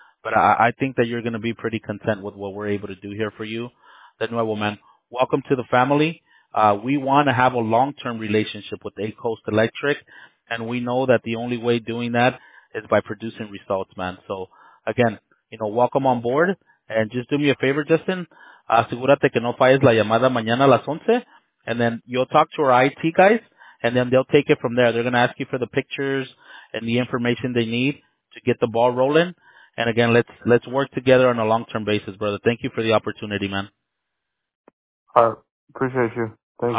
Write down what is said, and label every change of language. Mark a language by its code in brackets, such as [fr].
[en] But I think that you're going to be pretty content with what we're able to do here for you. [es] De nuevo, [en] man, welcome to the family. We want to have a long-term relationship with A-Coast Electric, and we know that the only way doing that is by producing results, man. So, again, you know, welcome on board. And just do me a favor, Justin. [es] Asegúrate que no falles la llamada mañana a las 11. [en] And then you'll talk to our IT guys, and then they'll take it from there. They're going to ask you for the pictures and the information they need to get the ball rolling. And, again, let's work together on a long-term basis, brother. Thank you for the opportunity, man. Appreciate you. Thank you.